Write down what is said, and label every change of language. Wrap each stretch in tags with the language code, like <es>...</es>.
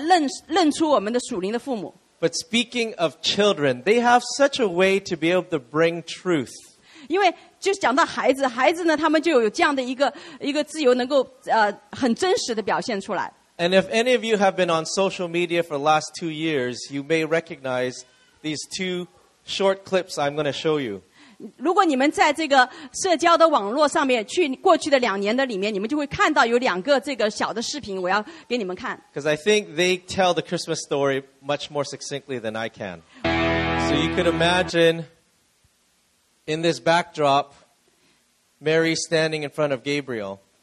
<zh>所以这个呢，就好像让我们知道我们是属灵的孩子，我们能够来认出我们的属灵的父母。</zh> <en>But speaking of children, they have such a way to be able to bring truth.</en> <zh>因为就讲到孩子，孩子呢，他们就有这样的一个自由，能够很真实的表现出来。</zh> <en>And if any of you have been on social media for the last 2 years, you may recognize these two short clips I'm going to show you.</en> <zh>如果你们在这个社交的网络上面，去过去的两年的里面，你们就会看到有两个这个小的视频，我要给你们看。</zh> <en>Because I think they tell the Christmas story much more succinctly than I can. So you could imagine in this backdrop, Mary standing in front of Gabriel.</en>